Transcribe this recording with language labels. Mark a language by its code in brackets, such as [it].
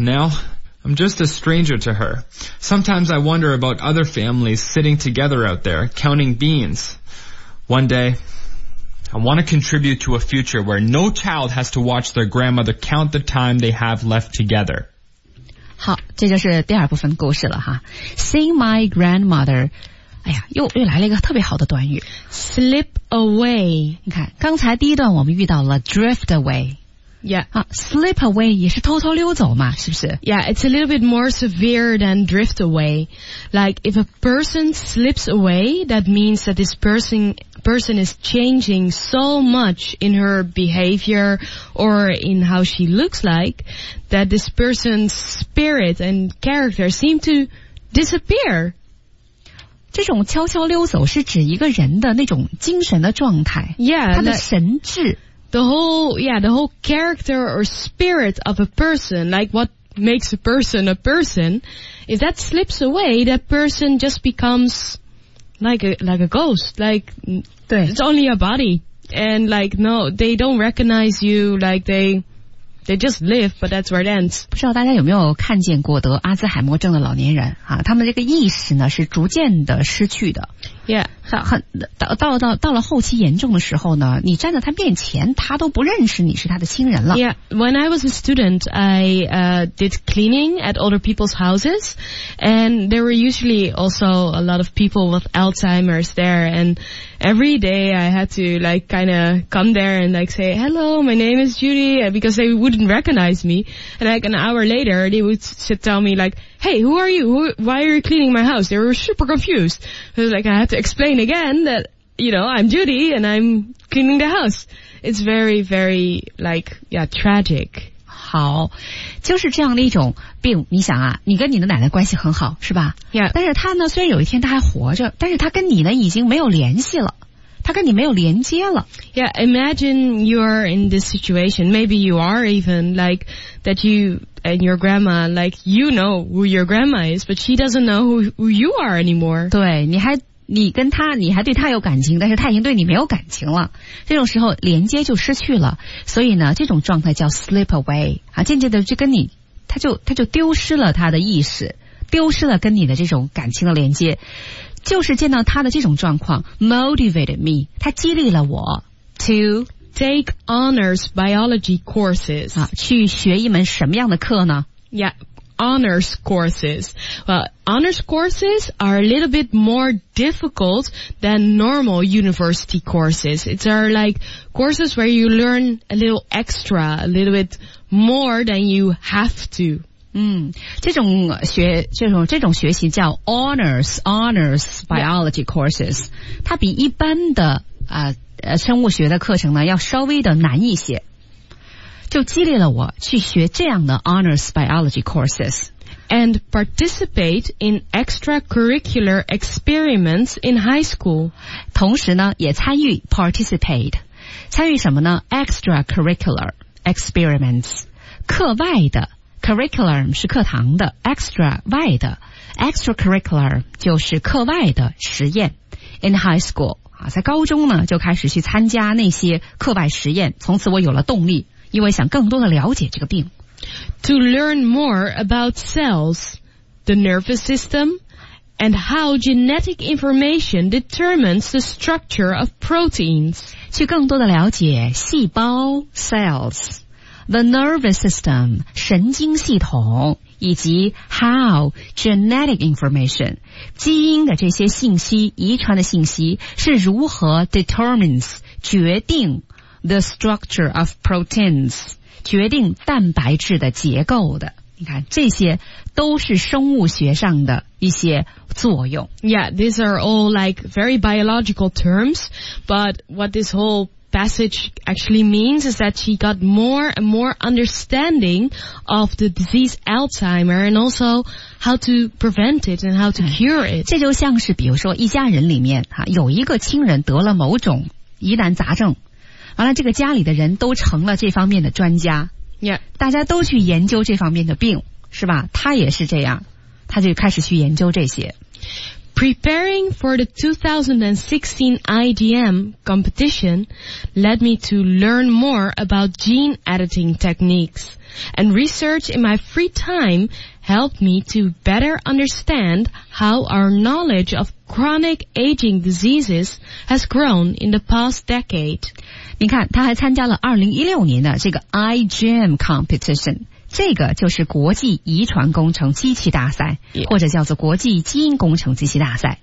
[en] Now, I'm just a stranger to her. Sometimes I wonder about other families sitting together out there, counting beans. One day, I want to contribute to a future where no child has to watch their grandmother count the time they have left together. [zh] 好，这就是第二部分故事了哈。 [en] Seeing my grandmother， [zh] 哎呀，又来了一个特别好的短语 [en] ，slip away。 [zh] 你看，刚才第一段我们遇到了 [en] drift away， yeah， [zh] 啊 ， [en] slip away [zh] 也是偷偷溜走嘛，是不是 [en] ？Yeah， it's a little bit more severe than drift away. Like if a person slips away, that means that this person is changing so much in her behavior or in how she looks like that this person's spirit and character seem to disappear. [zh] 这种悄悄溜走是指一个人的那种精神的状态 [en] yeah, [zh] 他的神智 [en] the whole character or spirit of a person like what makes a person if that slips away that person just becomesLike a ghost, like, it's only a body. And like, no, they don't recognize you, like they just live, but that's where it ends. [zh] 不知道大家有没有看见过得阿兹海默症的老年人啊，他们这个意识呢是逐渐的失去的。 [en] Yeah. [zh] 到了后期严重的时候呢，你站在他面前，他都不认识你是他的亲人了。 [en] Yeah. When I was a student, I, did cleaning at older people's houses, and there were usually also a lot of people with Alzheimer's there, and every day I had to like kind of come there and like say, hello, my name is Judy, because they wouldn't recognize me. And like an hour later, they would sit tell me like,Hey, who are you? Why are you cleaning my house? They were super confused. It was like, I had to explain again that, you know, I'm Judy and I'm cleaning the house. It's very, very, like, yeah, tragic. [zh] 好，就是这样的一种病。你想啊，你跟你的奶奶关系很好，是吧？ [en] Yeah. [zh] 但是她呢，虽然有一天她还活着，但是她跟你呢已经没有联系了。他跟你没有连接了。 [en] Yeah, imagine you are in this situation. Maybe you are even like that you and your grandma, like you know who your grandma is, but she doesn't know who you are anymore. [zh] 对，你跟他对他有感情，但是他已经对你没有感情了。这种时候连接就失去了。所以呢，这种状态叫 [en] slip away [zh] 啊，渐渐的就跟你，他就丢失了他的意识，丢失了跟你的这种感情的连接。就是见到他的这种状况 [en] motivated me [zh] 他激励了我 [en] to take honors biology courses、 [zh] 啊、去学一门什么样的课呢 [en] yeah honors courses well honors courses are a little bit more difficult than normal university courses it's are like courses where you learn a little extra a little bit more than you have to [zh] 嗯，这种学习叫 [en] honors biology courses， [zh] 它比一般的生物学的课程呢要稍微的难一些，就激励了我去学这样的 honors biology courses， [en] and participate in extracurricular experiments in high school， [zh] 同时呢也参与 participate， 参与什么呢 [en] extracurricular experiments [zh] 课外的。 curriculum 是课堂的 extra 外的 extracurricular 就是课外的实验 [en] in high school [zh] 啊，在高中呢就开始去参加那些课外实验，从此我有了动力，因为想更多的了解这个病。 [en] To learn more about cells, the nervous system, and how genetic information determines the structure of proteins. [zh] 去更多的了解细胞 cells, [en] the nervous system, [zh] 神经系统，以及 [en] how genetic information, [zh] 基因的这些信息，遗传的信息，是如何 determines, 决定 [en] The structure of proteins, [zh] 决定蛋白质的结构的。你看，这些都是生物学上的一些作用。 [en] Yeah, these are all like very biological terms, but what this whole passage actually means is that she got more and more understanding of the disease Alzheimer and also how to prevent it and how to cure it. [zh] 这就像是比如说一家人里面有一个亲人得了某种疑难杂症，完了这个家里的人都成了这方面的专家、 [en] yeah. [zh] 大家都去研究这方面的病，是吧？他也是这样，他就开始去研究这些。 [en] Preparing for the 2016 IDM competition led me to learn more about gene editing techniques, and research in my free time helped me to better understand how our knowledge of chronic aging diseases has grown in the past decade. [zh] 你看他还参加了2016年的这个 IGM competition, 这个就是国际遗传工程机器大赛、 [en] yeah. [zh] 或者叫做国际基因工程机器大赛。